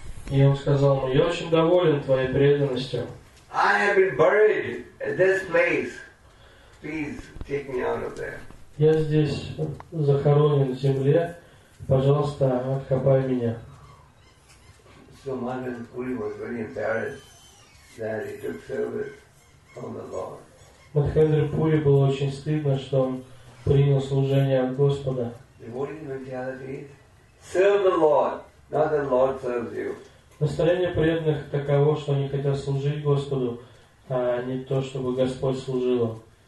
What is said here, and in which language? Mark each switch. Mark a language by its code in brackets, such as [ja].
[ru] И он сказал, ну, я очень доволен твоей преданностью. [en] I have been buried at this place. Please take me out of there. [ru] Я здесь захоронен в земле. Пожалуйста, откопай меня. [en] So Madan Puri was very embarrassed that he took service from the Lord. [ru] Мадхавендра Пури было очень стыдно, что он принял служение от Господа. [en] Devotee mentality: serve the Lord, not the Lord serves you. [ru] Настроение преданных таково, что они хотят служить Господу, а не то, чтобы Господь служил